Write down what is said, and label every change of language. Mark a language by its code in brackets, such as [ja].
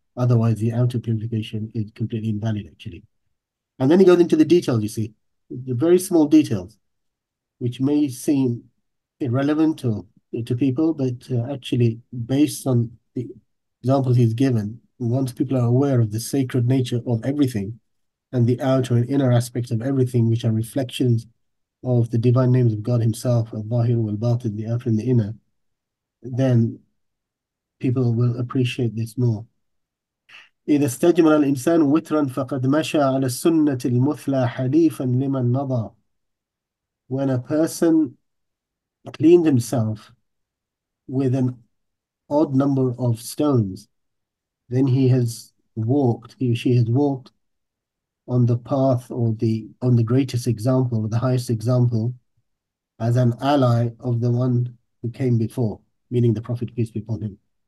[en] Otherwise, the outer purification is completely invalid, actually. And then he goes into the details, you see, the very small details, which may seem irrelevant to people, but actually, based on the examples he's given, once people are aware of the sacred nature of everything and the outer and inner aspects of everything, which are reflections of the divine names of God Himself, Al-Bahir, Al-Batin, the outer and the inner, then people will appreciate this more. [ar] إذا استجمر الإنسان وترا فقد مشى على السنة المثلى حليفا لمن مضى. [en] When a person cleans himself with an odd number of stones, then he has walked, he or she has walked on the path or on the greatest example or the highest example as an ally of the one who came before, meaning the Prophet, peace be upon him.